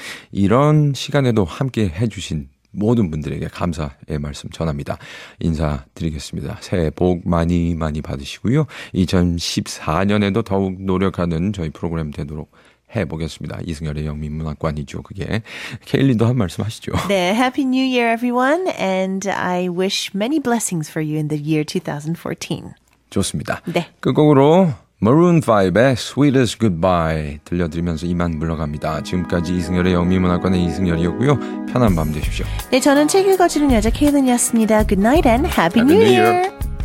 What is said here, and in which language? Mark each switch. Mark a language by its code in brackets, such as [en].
[ko] 이런 시간에도 함께 해주신 모든 분들에게 감사의 말씀 전합니다. 인사드리겠습니다. 새해 복 많이 많이 받으시고요. 2014년에도 더욱 노력하는 저희 프로그램 되도록 해보겠습니다. 이승열의 영미문학관이죠. 그게. 케일리도 한 말씀 하시죠. 네. [en] Happy New Year, everyone. And I wish many blessings for you in the year 2014. [ko] 좋습니다. 네. 끝곡으로 Maroon 5의 Sweetest Goodbye 들려드리면서 이만 물러갑니다. 지금까지 이승열의 영미문학관의 이승열이었고요. 편한 밤 되십시오. 네. 저는 책 읽어주는 여자 케일린이었습니다. [en] Good night and Happy New Year.